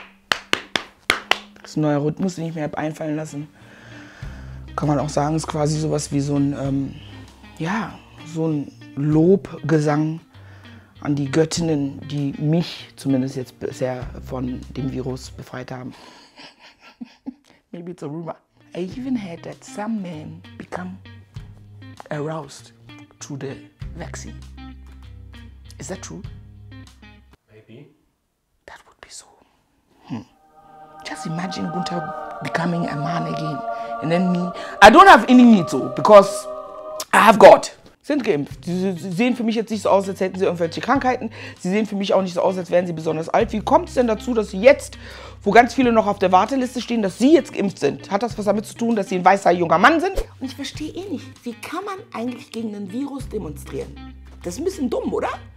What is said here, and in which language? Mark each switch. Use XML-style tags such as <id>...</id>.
<de>Das ist ein neuer Rhythmus, den ich mir habe einfallen lassen. Kann man auch sagen, ist quasi sowas wie so ein, ja, so ein Lobgesang an die Göttinnen, die mich zumindest jetzt bisher von dem Virus befreit haben.</de> <en>Maybe it's a rumor. I even heard that some men become aroused to the vaccine. Is that true? Maybe. That would be so. Just imagine Gunther becoming a man again. And then me, I don't have any need to, because I have God.</en> <de>sind geimpft. Sie sehen für mich jetzt nicht so aus, als hätten sie irgendwelche Krankheiten. Sie sehen für mich auch nicht so aus, als wären sie besonders alt. Wie kommt es denn dazu, dass sie jetzt, wo ganz viele noch auf der Warteliste stehen, dass sie jetzt geimpft sind? Hat das was damit zu tun, dass sie ein weißer junger Mann sind? Und ich verstehe eh nicht, wie kann man eigentlich gegen ein Virus demonstrieren? Das ist ein bisschen dumm, oder?</de>